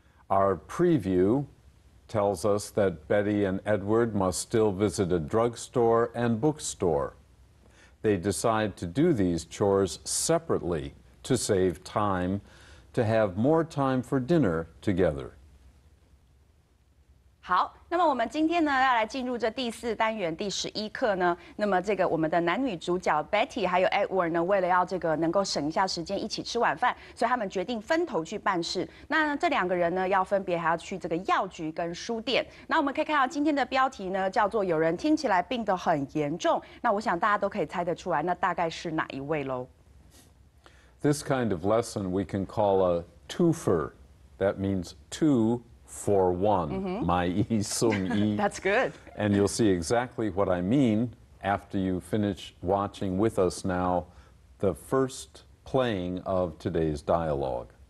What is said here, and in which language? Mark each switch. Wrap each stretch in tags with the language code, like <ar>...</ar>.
<en>Our preview tells us that Betty and Edward must still visit a drugstore and bookstore. They decide to do these chores separately to save time, to have more time for dinner together.</en> <zh>好，那么我们今天呢，要来进入这第四单元第十一课呢。那么这个我们的男女主角 Betty 还有 Edward 呢，为了要这个能够省一下时间一起吃晚饭，所以他们决定分头去办事。那这两个人呢，要分别还要去这个药局跟书店。那我们可以看到今天的标题呢，叫做有人听起来病得很严重。那我想大家都可以猜得出来，那大概是哪一位喽</zh> <en>？This kind of lesson we can call a twofer. That means two. For one,</en> <zh>my yi sum yi.</zh> <en>That's good. And you'll see exactly what I mean after you finish watching with us now the first playing of today's dialogue.</en>